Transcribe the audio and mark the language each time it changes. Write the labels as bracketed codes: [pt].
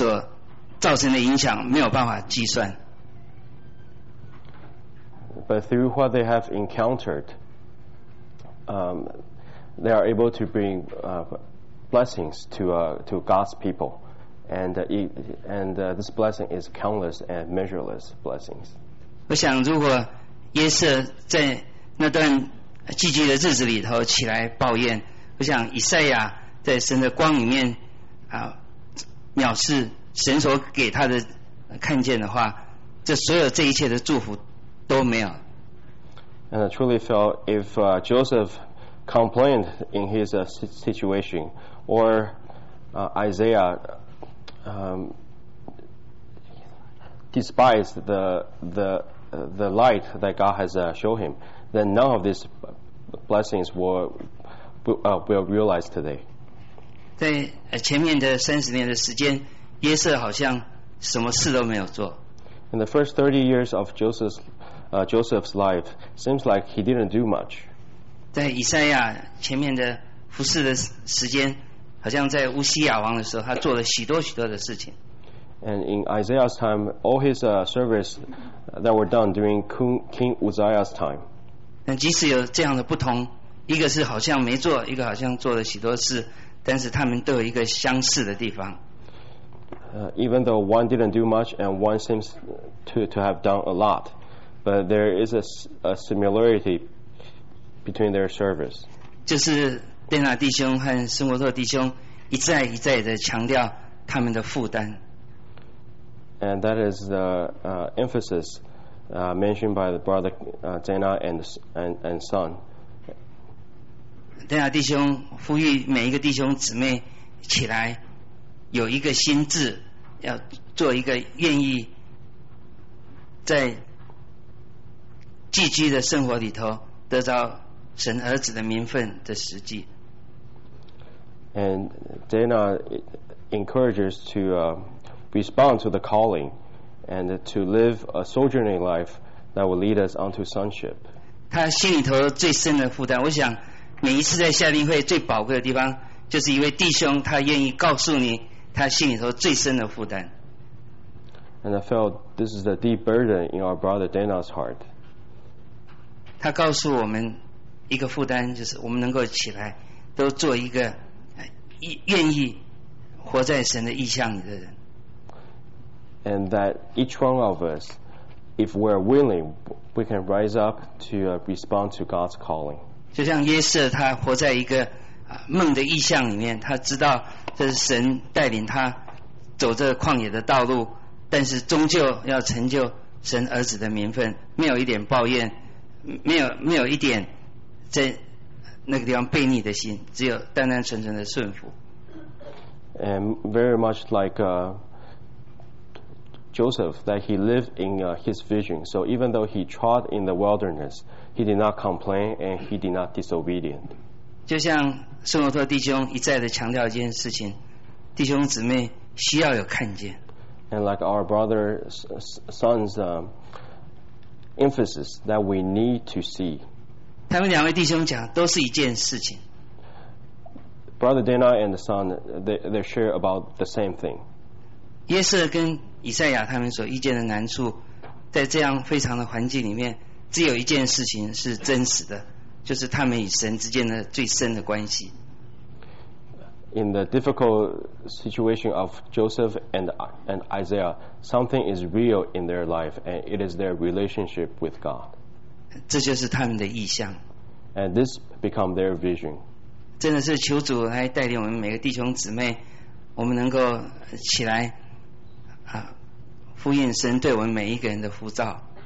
[zh] 但是他们所经历的事情对每一个神的子民来讲都有非常非常重的分量，在整个圣经里面他们所造成的影响没有办法计算。 [en] But through what they have encountered, they are able to bring blessings to God's people, and this blessing is countless and measureless blessings. [zh] 我想，如果约瑟在那段寂寂的日子里头起来抱怨，我想以赛亚在神的光里面啊，藐视神所给他的看见的话，这所有这一切的祝福都没有。 [en] And I truly felt if Joseph complained in his situation, or Isaiah despised the light that God has shown him, then none of these blessings will realize today. [zh] 在前面的三十年的时间，约瑟好像什么事都没有做。 [en] In the first 30 years of Joseph's life, seems like he didn't do much. [zh] 在以赛亚前面的服事的时间，好像在乌西亚王的时候，他做了许多许多的事情。 [en] And in Isaiah's time, all his service that were done during King Uzziah's time. [zh] 但即使有这样的不同，一个是好像没做，一个好像做了许多事，但是他们都有一个相似的地方。 [en] Even though one didn't do much and one seems to have done a lot, but there is a similarity between their service. [zh] 就是电纳弟兄和圣伯特弟兄一再一再的强调他们的负担。 [en] And that is the emphasis mentioned by the brother Dana and son. [zh] 电纳弟兄呼吁每一个弟兄姊妹起来，有一个心志，要做一个愿意在寄居的生活里头得到神儿子的名分的实际。 [en] And Dana encourages to respond to the calling and to live a sojourning life that will lead us onto sonship. [zh] 他心里头最深的负担，我想每一次在夏令会最宝贵的地方，就是一位弟兄他愿意告诉你他心里头最深的负担。 [en] And I felt this is the deep burden in our brother Dana's heart. [zh] 他告诉我们一个负担，就是我们能够起来都做一个愿意活在神的意象里的人。 [en] And that each one of us, if we're willing, we can rise up to respond to God's calling. [zh] 就像约瑟他活在一个梦的意象里面，他知道这是神带领他走这旷野的道路，但是终究要成就神儿子的名分，没有一点抱怨，没有一点在那个地方悖逆的心，只有单单纯纯的顺服。 [en] And very much like Joseph, that he lived in his vision. So even though he trod in the wilderness, he did not complain and he did not disobedient. [zh] 就像圣伯特弟兄一再的强调一件事情，弟兄姊妹需要有看见。 [en] And like our brother son's emphasis, that we need to see. [zh] 他们两位弟兄讲都是一件事情。 [en] Brother Dana and the son, they share about the same thing. [zh] 约瑟跟以赛亚他们所遇见的难处，在这样非常的环境里面，只有一件事情是真实的，就是他们与神之间的最深的关系。 [en] In the difficult situation of Joseph and Isaiah, something is real in their life, and it is their relationship with God. [zh] 这就是他们的意象。 [en] And this become their vision. [zh] 真的是求主来带领我们每个弟兄姊妹，我们能够起来啊，复印神对我们每一个人的呼召。